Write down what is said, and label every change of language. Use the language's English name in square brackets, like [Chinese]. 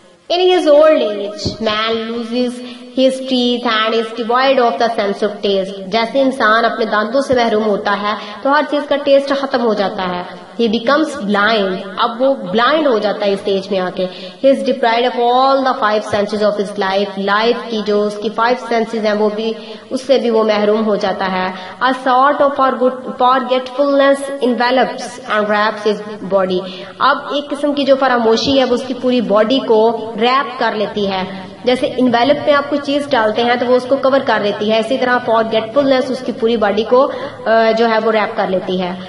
[English] In his old age, man loses his teeth and is devoid of the sense of taste. [Hindi] जैसे इंसान अपने दांतों से महरूम होता है तो हर चीज का टेस्ट खत्म हो जाता है. [English] He becomes blind. [Hindi] अब वो blind हो जाता है इस स्टेज में आके. [English] He is deprived of all the five senses of his life. [Hindi] Life की जो उसकी five senses हैं वो भी, उससे भी वो महरूम हो जाता है. [English] A sort of forgetfulness envelops and wraps his body. [Hindi] अब एक किस्म की जो फरामोशी है वो उसकी पूरी बॉडी को रैप कर लेती है. जैसे इनवेलप में आप कोई चीज डालते हैं तो वो उसको कवर कर देती है, इसी तरह फॉरगेटफुलनेस उसकी पूरी बॉडी को जो है वो रैप कर लेती है।